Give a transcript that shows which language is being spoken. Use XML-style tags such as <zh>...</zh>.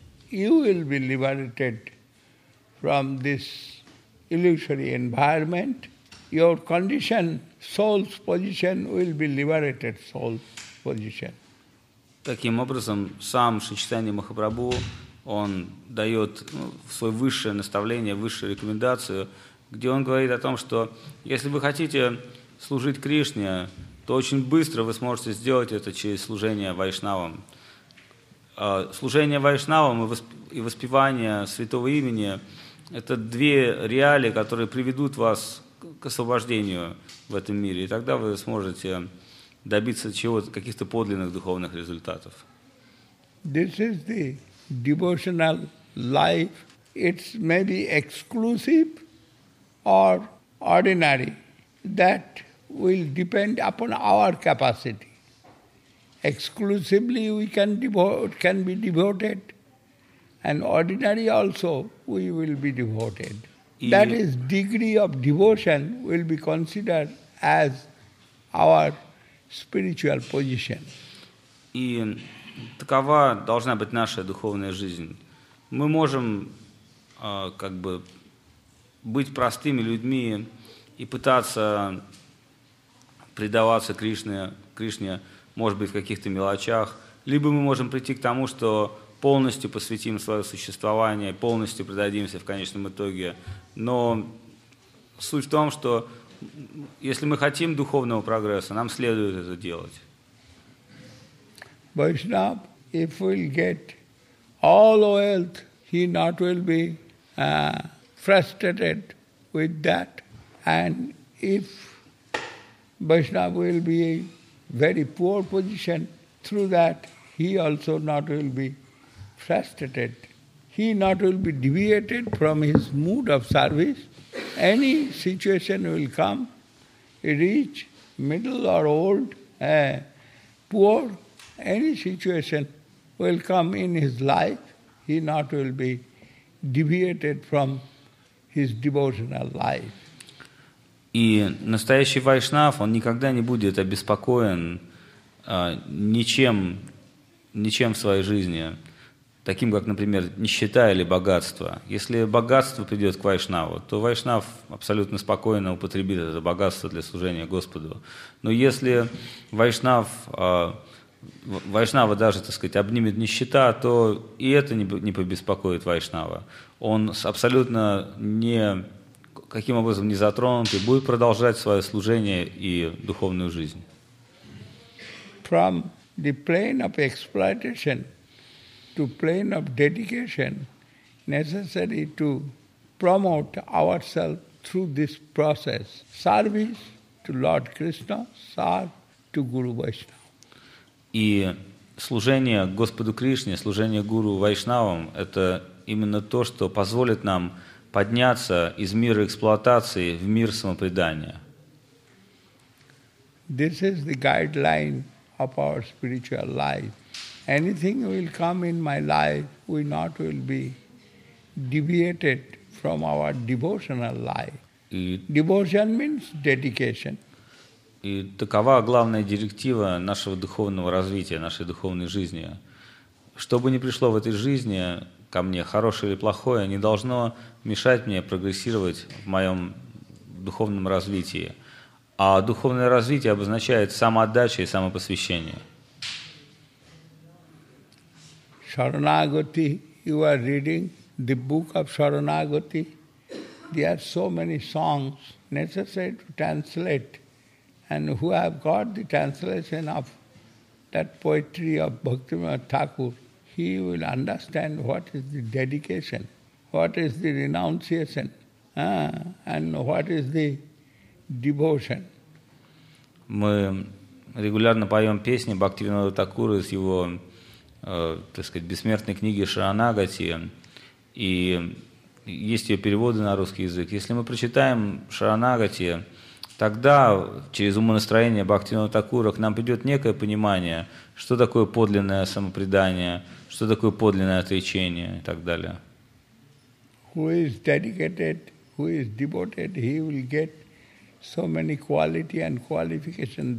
<en>You will be liberated from this illusory environment, your condition, soul's position, will be liberated soul's position.</en> <ru>Таким образом, сам Шри Чайтанья Махапрабху, он дает свое высшее наставление, высшую рекомендацию, где он говорит о том, что если вы хотите служить Кришне, то очень быстро вы сможете сделать это через служение вайшнавам. Служение вайшнавам и воспевание святого имени – это две реалии, которые приведут вас к освобождению в этом мире, и тогда вы сможете добиться чего-то, каких-то подлинных духовных результатов.</ru> <en>This is the devotional life. It's maybe exclusive or ordinary. That will depend upon our capacity. Exclusively we can be devoted, and ordinary also we will be devoted. That is, degree of devotion will be considered as our spiritual position.</en> <ru>И такова должна быть наша духовная жизнь. Мы можем как бы быть простыми людьми и пытаться предаваться Кришне, может быть, в каких-то мелочах, либо мы можем прийти к тому, что полностью посвятим свое существование, полностью предадимся в конечном итоге. Но суть в том, что если мы хотим духовного прогресса, нам следует это делать.</ru> <en>Vaishnav, if we'll get all wealth, he not will be frustrated with that. And if Vaishnav will be a very poor position, through that he also not will be frustrated. He not will be deviated from his mood of service. Any situation will come, rich, middle or old, poor, any situation will come in his life, he not will be deviated from his devotional life.</en> <ru>И настоящий вайшнав, он никогда не будет обеспокоен ничем в своей жизни, таким как, например, нищета или богатство. Если богатство придет к вайшнаву, то вайшнав абсолютно спокойно употребит это богатство для служения Господу. Но если вайшнава даже, так сказать, обнимет нищета, то и это не побеспокоит вайшнава. Он абсолютно не... каким образом не затронут, и будет продолжать свое служение и духовную жизнь.</ru> <en>From the plane of exploitation to plane of dedication, necessary to promote ourselves through this process. Service to Lord Krishna, serve to Guru Vaishnava.</en> <ru>И служение Господу Кришне, служение Гуру Вайшнавам – это именно то, что позволит нам подняться из мира эксплуатации в мир самопредания.</ru> <en>This is the guideline of our spiritual life. Anything will come in my life, we not will be deviated from our devotional life. Devotion means dedication.</en> <ru>И такова главная директива нашего духовного развития, нашей духовной жизни. Что бы ни пришло в этой жизни ко мне, хорошее или плохое, не должно мешать мне прогрессировать в моем духовном развитии. А духовное развитие обозначает самоотдача и самопосвящение.</ru> <en>Sharanagati, you are reading the book of Sharanagati. There are so many songs necessary to translate. And who have got the translation of that poetry of Bhaktivinoda Thakur, he will understand what is the dedication, what is the renunciation, and what is the devotion.</en> <ru>Мы регулярно поем песни Бхактивинода Такура из его, так сказать, бессмертной книги «Шаранагати», и есть ее переводы на русский язык. Если мы прочитаем «Шаранагати», тогда через умонастроение Бхактивинода Такура к нам придет некое понимание, что такое подлинное самопредание, что такое подлинное отречение и так далее.</ru> <en>Who is dedicated, who is devoted, he will get so many quality and qualification.</en>